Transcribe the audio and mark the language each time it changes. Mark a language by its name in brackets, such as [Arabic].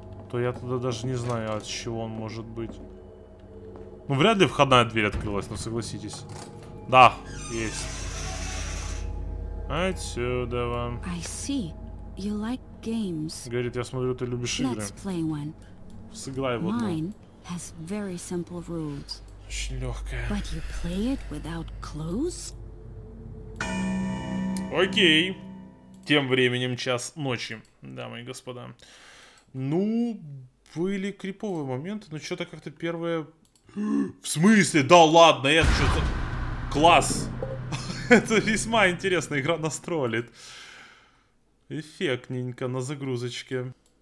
[Russian] то я тогда даже не знаю, от чего он может быть. Ну, вряд ли входная дверь открылась, но согласитесь. Да, есть. Отсюда вам. [English] I see. You like games. [Russian] Говорит, я смотрю, ты любишь игры. [English] Let's play one. [Russian] Сыграй в одну. [English] Mine has very simple rules. [Russian] Очень легкая. [English] But you play it without clues? [Russian] Окей. Тем временем час ночи, дамы и господа. Ну, были криповые моменты, но что-то как-то первое... В смысле? Да ладно, я что-то... Класс! Это весьма интересная игра нас троллит. Эффектненько на загрузочке.